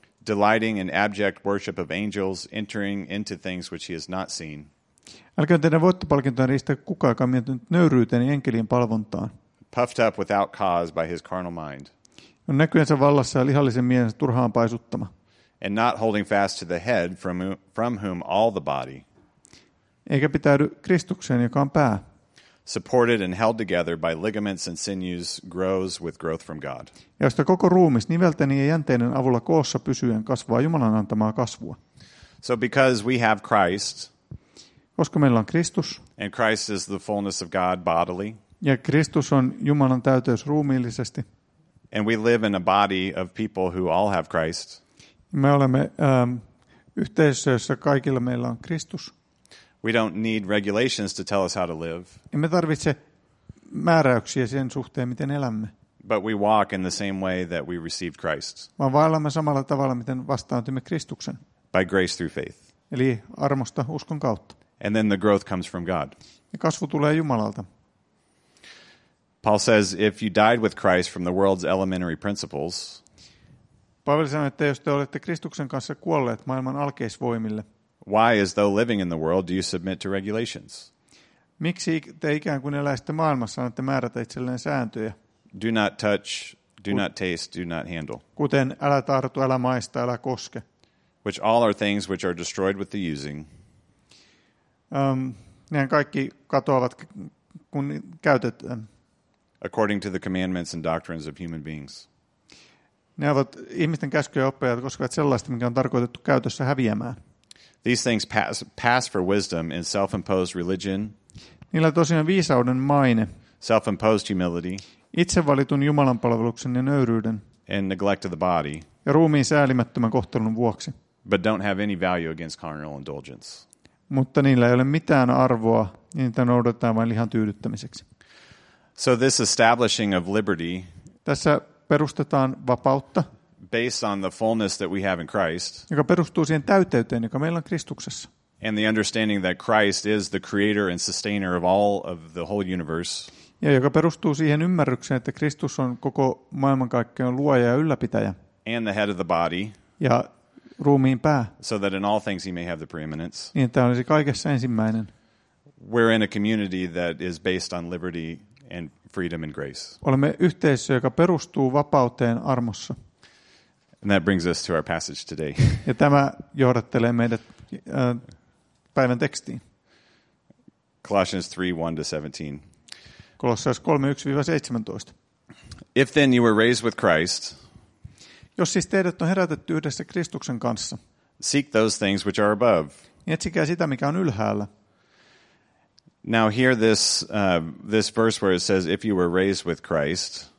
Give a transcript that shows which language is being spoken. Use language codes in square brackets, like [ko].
[en] Delighting in abject worship of angels, entering into things which he has not seen. [fi] Älköön teidän voittopalkintoon riistä kukaan, joka on miettinyt nöyryyteen ja enkelien palvontaan. [en] Puffed up without cause by his carnal mind. [fi] On näkyensä vallassa ja lihallisen mielensä turhaan paisuttama. [en] And not holding fast to the head from whom all the body. [fi] Eikä pitäydy Kristukseen, joka on pää. [en] Supported and held together by ligaments and sinews grows with growth from God. [fi] Josta koko ruumis nivelten ja jänteinen avulla koossa pysyen kasvaa Jumalan antamaa kasvua. [en] So because we have Christ. [fi] Koska meillä on Kristus. [en] And Christ is the fullness of God bodily. [fi] Ja Kristus on Jumalan täyteys ruumiillisesti. [en] And we live in a body of people who all have Christ. [fi] Me olemme yhteisössä, kaikilla meillä on Kristus. [en] We don't need regulations to tell us how to live. [fi] Emme tarvitse määräyksiä sen suhteen, miten elämme. [en] But we walk in the same way that we received Christ. [fi] Vaan vaellamme samalla tavalla, miten vastaanotimme Kristuksen. [en] By grace through faith. [fi] Eli armosta uskon kautta. [en] And then the growth comes from God. [fi] Ja kasvu tulee Jumalalta. [en] Paul says, if you died with Christ from the world's elementary principles, [fi] Paavali sanoi, että jos te olette Kristuksen kanssa kuolleet maailman alkeisvoimille, [en] why, as though living in the world, do you submit to regulations? [fi] Miksi te ikään kuin eläisitte maailmassa, annatte määrätä itselleen sääntöjä? [en] Do not touch, do not taste, do not handle. [fi] Kuten älä tartu, älä maista, älä koske. [en] Which all are things which are destroyed with the using. [fi] Nehän kaikki katoavat, kun käytet. [en] According to the commandments and doctrines of human beings. [fi] Ne ovat ihmisten käskyjä ja oppeja, jotka koskevat sellaista, mikä on tarkoitettu käytössä häviämään. [en] These things pass for wisdom in self-imposed religion. [fi] Niillä tosiaan viisauden maine. [en] Self-imposed humility. [fi] Itse valitun Jumalan palveluksen ja nöyryyden. [en] And neglect of the body. [fi] Ja ruumiin säälimättömän kohtelun vuoksi. [en] But don't have any value against carnal indulgence. [fi] Mutta niillä ei ole mitään arvoa, niitä noudatetaan vain lihan tyydyttämiseksi. [en] So this establishing of liberty. [fi] Tässä perustetaan vapautta. [en] Based on the fullness that we have in Christ. [fi] Joka perustuu siihen täyteyteen, joka meillä on Kristuksessa. [en] And the understanding that Christ is the creator and sustainer of all of the whole universe. [fi] Ja joka perustuu siihen ymmärrykseen, että Kristus on koko maailmankaikkeuden luoja ja ylläpitäjä. [en] And the head of the body. [fi] Ja ruumiin pää. [en] So that in all things he may have the preeminence. [fi] Niin, että olisi kaikessa ensimmäinen. [en] We're in a community that is based on liberty and freedom and grace. [fi] Olemme yhteisö, joka perustuu vapauteen armossa. [en] And that brings us to our passage today. [fi] Ja tämä johdattelee meidät päivän tekstiin. [en] Colossians 3:1-17. [fi] Kolossalaiset 3:1-17. [en] If then you were raised with Christ, [fi] jos siis teidät on herätetty yhdessä Kristuksen kanssa, [en] seek those things which are above. [fi] Etsikää sitä, mikä on ylhäällä. [en] Now hear this verse where it says, if you were raised with Christ.